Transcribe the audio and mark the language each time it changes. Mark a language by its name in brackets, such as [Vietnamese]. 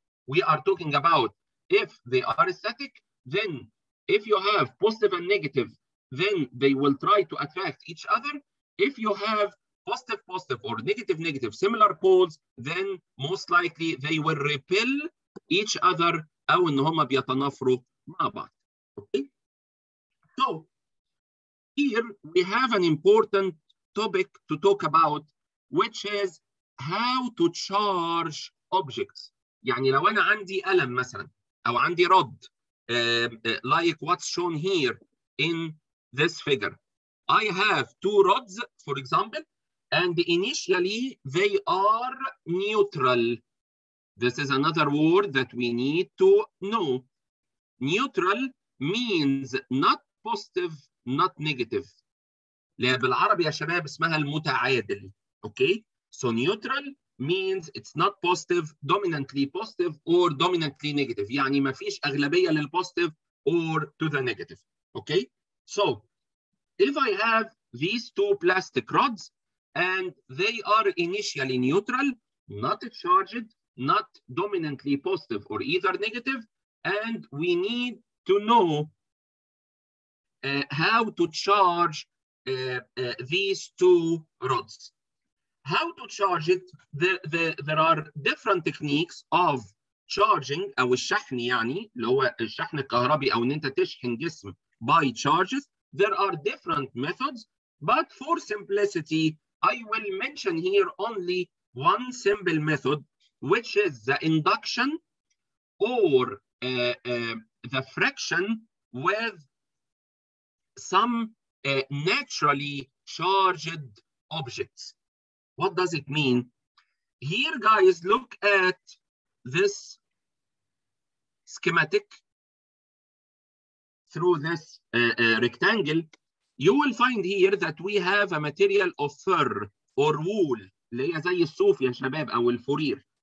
[English] We are talking about if they are static, then if you have positive and negative, then they will try to attract each other. If you have positive positive or negative negative similar poles, then most likely they will repel each other. [Arabic] أو إن هما بيتنافروا مع بعض. [English] Okay. So here we have an important topic to talk about, which is how to charge objects. [Arabic] يعني لو أنا عندي ألم مثلا أو عندي رد [English] like what's shown here in this figure. I have two rods, for example, and initially they are neutral. This is another word that we need to know. Neutral means not positive, not negative. [Arabic] اللي بالعربي يا شباب اسمها المتعادل. [English] Okay, so neutral means it's not positive, dominantly positive or dominantly negative. [Arabic] يعني ما فيش أغلبية للpositive [English] or to the negative. Okay, so if I have these two plastic rods and they are initially neutral, not charged, not dominantly positive or either negative, and we need to know how to charge these two rods. How to charge it? There are different techniques of charging, [Arabic] أو الشحن يعني, اللي هو الشحن الكهربي أو إن أنت تشحن جسم [English] by charges. There are different methods, but for simplicity, I will mention here only one simple method, which is the induction or the friction with some naturally charged objects. What does it mean? Here, guys, look at this schematic. Through this rectangle, you will find here that we have a material of fur or wool. [Arabic] اللي هي زي الصوف يا شباب أو الفرير.